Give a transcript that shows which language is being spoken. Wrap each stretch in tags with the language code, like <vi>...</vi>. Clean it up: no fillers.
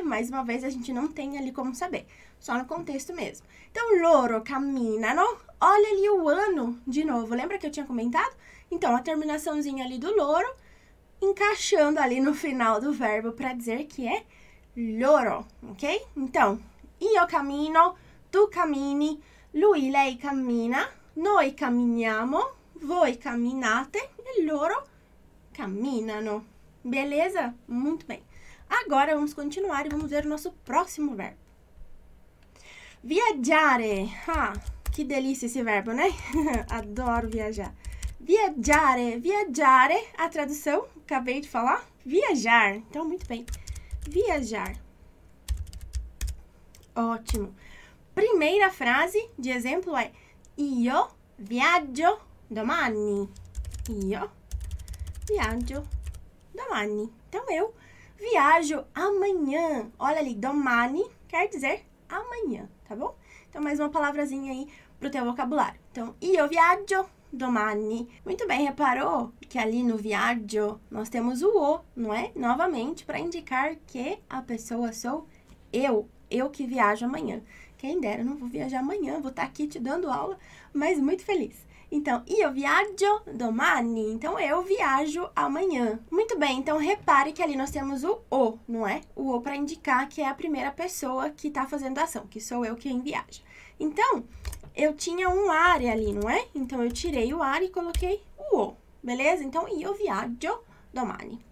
<pt>Mais uma vez, a gente não tem ali como saber, só no contexto mesmo. Então,</pt> <it>loro caminano.</it> <pt>Olha ali o ano de novo. Lembra que eu tinha comentado? Então, a terminaçãozinha ali do loro, encaixando ali no final do verbo para dizer que é loro, ok?</pt> <it>Então, io camino, tu camini, lui, lei cammina, noi caminhiamo, voi camminate e loro camminano.</it> <pt>Beleza? Muito bem. Agora vamos continuar e vamos ver o nosso próximo verbo. Viaggiare. Ah, que delícia esse verbo, né? Adoro viajar. Viaggiare. Viaggiare, a tradução, acabei de falar. Viajar. Então, muito bem. Viajar. Ótimo. Primeira frase de exemplo é:</pt> <it>Io viaggio domani. Io viaggio domani.</it> <pt>Então, eu viajo amanhã. Olha ali, domani quer dizer amanhã, tá bom? Então, mais uma palavrazinha aí pro teu vocabulário.</pt> <it>Então, io viaggio domani.</it> <pt>Muito bem, reparou que ali no viaggio nós temos o o, não é? Novamente, para indicar que a pessoa sou eu que viajo amanhã. Quem dera, não vou viajar amanhã, vou estar aqui te dando aula, mas muito feliz.</pt> <it>Então, io viaggio domani.</it> <pt>Então, eu viajo amanhã. Muito bem, então repare que ali nós temos o o, não é? O o para indicar que é a primeira pessoa que está fazendo a ação, que sou eu quem viaja. Então, eu tinha um are ali, não é? Então, eu tirei o are e coloquei o o, beleza?</pt> <it>Então, io viaggio domani.</it>